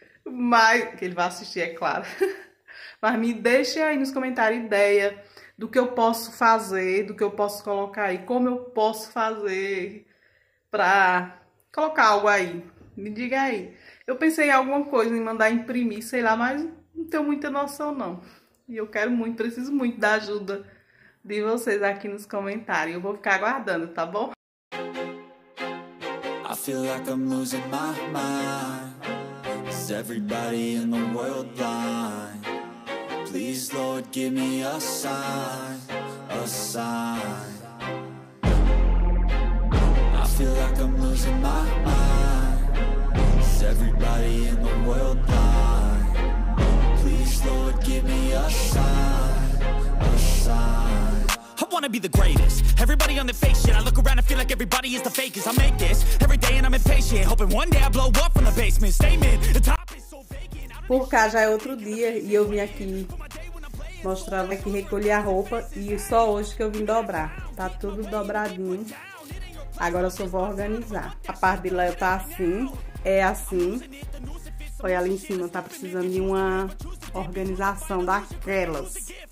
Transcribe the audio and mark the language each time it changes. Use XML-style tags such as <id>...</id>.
<pt>Mas, que ele vai assistir, é claro. Mas me deixe aí nos comentários ideia do que eu posso fazer, do que eu posso colocar aí, como eu posso fazer pra colocar algo aí. Me diga aí. Eu pensei em alguma coisa, em mandar imprimir, sei lá, mas não tenho muita noção, não. E eu quero muito, preciso muito da ajuda de vocês aqui nos comentários. Eu vou ficar aguardando, tá bom?</pt> <en>I feel like I'm losing my mind. Is everybody in the world blind? Please, Lord, give me a sign, a sign. I feel like I'm losing my mind. Is everybody in the world blind? Please, Lord, give me a sign, a sign. I wanna be the greatest. Everybody on their fake shit. I look around and feel like everybody is the fakest. I make this every day and I'm impatient. Hoping one day I blow up from the basement. Statement, the top is so vacant.</en> <pt>Por cá já é outro dia e eu vim aqui mostrando aqui, recolher a roupa. E só hoje que eu vim dobrar. Tá tudo dobradinho. Agora eu só vou organizar. A parte de lá eu tá assim. É assim. Foi ali em cima, tá precisando de uma organização daquelas.</pt>